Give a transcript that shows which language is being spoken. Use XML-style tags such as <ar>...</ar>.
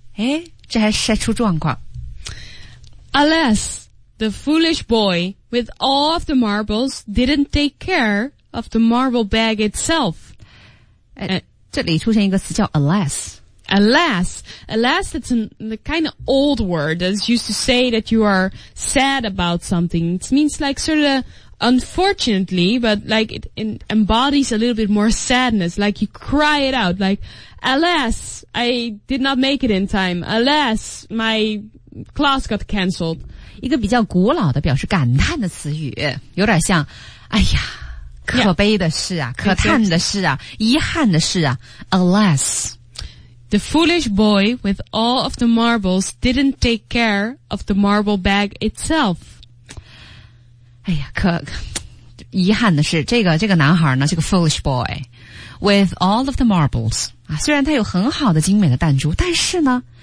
<zh>哎，这还晒出状况。</zh> <en>Alas! The foolish boy, with all of the marbles, didn't take care of the marble bag itself.</en> <zh>这里出现一个词叫 alas.</zh> <en>Alas. Alas, that's the kind of old word that's used to say that you are sad about something. It means like sort of, unfortunately, but like it embodies a little bit more sadness. Like you cry it out, like, alas, I did not make it in time. Alas, my class got canceled.</en> <zh>一个比较古老的表示感叹的词语，有点像，哎呀，可悲的事啊，可叹的事啊，遗憾的事啊。</zh> <en>Alas, the foolish boy with all of the marbles didn't take care of the marble bag itself.</en> <zh>哎呀，可遗憾的是，这个男孩呢，这个</zh> <en>foolish boy with all of the marbles</en> <zh>啊，虽然他有很好的精美的弹珠，但是呢。</zh>